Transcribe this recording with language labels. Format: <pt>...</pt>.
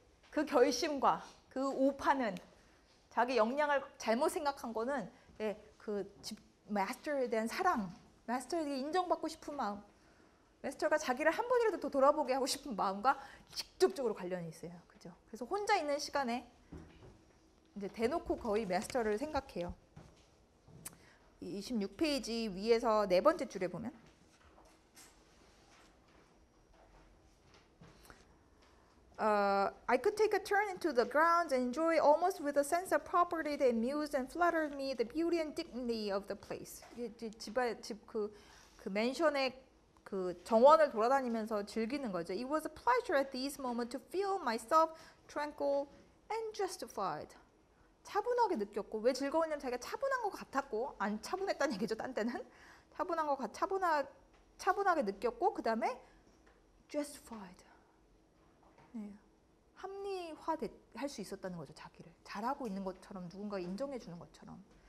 <ko>그 결심과 그 오판은 자기 역량을 잘못 생각한 거는 예. 그 마스터에 대한 사랑, 마스터에게 인정받고 싶은 마음, 마스터가 자기를 한 번이라도 더 돌아보게 하고 싶은 마음과 직접적으로 관련이 있어요. 그죠? 그래서 혼자 있는 시간에 이제 대놓고 거의 마스터를 생각해요. 26페이지 위에서 네 번째 줄에 보면</ko> <en>I could take a turn into the grounds and enjoy almost with a sense of property that amused and fluttered me the beauty and dignity of the place.</en> <ko>그 맨션의 그 정원을 돌아다니면서 즐기는 거죠.</ko> <en>It was a pleasure at this moment to feel myself tranquil and justified.</en> <ko>차분하게 느꼈고 왜 즐거웠냐면 자기가 차분한 것 같았고 안 차분했다는 얘기죠. 딴 때는 차분한 것 같, 차분하게 느꼈고 그다음에 justified. 네. 합리화할 수 있었다는 거죠, 자기를. 잘하고 있는 것처럼, 누군가 인정해 주는 것처럼.</ko>